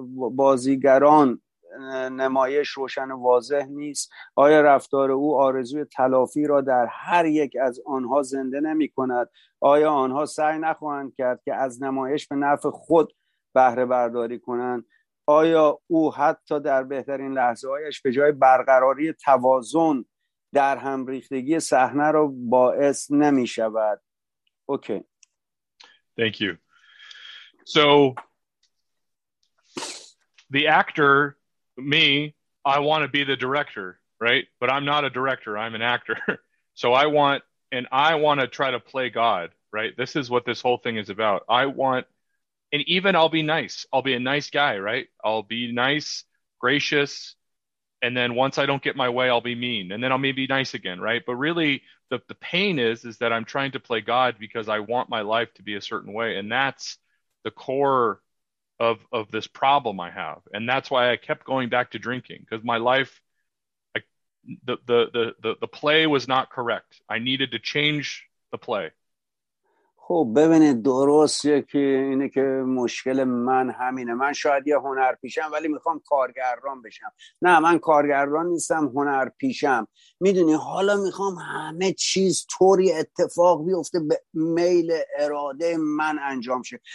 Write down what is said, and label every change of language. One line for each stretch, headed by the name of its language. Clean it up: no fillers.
Persian: بازیگران نمایش روشن و واضح نیست؟ آیا رفتار او آرزوی تلافی را در هر یک از آنها زنده نمی کند؟ آیا آنها سعی نخواهند کرد که از نمایش به نفع خود بهره برداری کنند؟ آیا او حتی در بهترین لحظه هایش به جای برقراری توازن در هم ریختگی صحنه را باعث نمی شود؟ اوکی.
English: Thank you. So the actor, me, I want to be the director, right? But I'm not a director, I'm an actor. So I want to try to play God, right? This is what this whole thing is about. And even I'll be nice. I'll be a nice guy, right? I'll be nice, gracious. And then once I don't get my way, I'll be mean. And then I'll maybe be nice again, right? But really, the pain is that I'm trying to play God because I want my life to be a certain way. And that's the core of this problem I have. And that's why I kept going back to drinking, because my life, the play was not correct. I needed to change the play.
Persian: خب ببینید، درست یکی اینه که مشکل من همینه. من شاید یه هنرپیشم ولی میخوام کارگردان بشم. نه، من کارگردان نیستم، هنرپیشم. میدونی حالا میخوام همه چیز طوری اتفاق بیفته به میل اراده من انجام شه.